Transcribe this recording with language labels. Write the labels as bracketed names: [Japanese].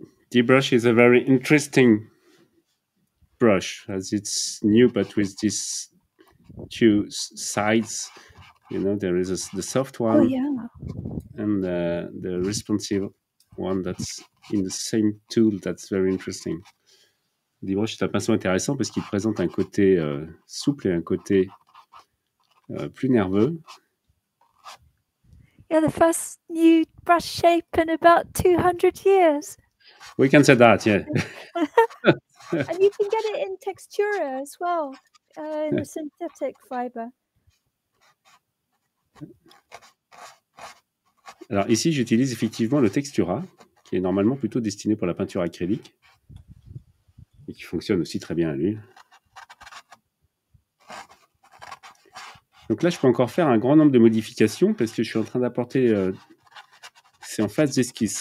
[English] The brush is a very interesting brush as it's new, but with these two sides, you know, there is the soft one and the responsive one that's in the same tool. That's very interesting. [French] Dibroche est un pinceau intéressant parce qu'il présente un côté souple et un côté plus nerveux. [English] Yeah, the first new brush shape in about 200 years. We can say that, yeah. And you can get it in textura as well, in the synthetic fiber. [French] Alors ici, j'utilise effectivement le textura, qui est normalement plutôt destiné pour la peinture acrylique. Et qui fonctionne aussi très bien à l'huile. Donc là, je peux encore faire un grand nombre de modifications parce que je suis en train d'apporter. C'est en phase d'esquisse.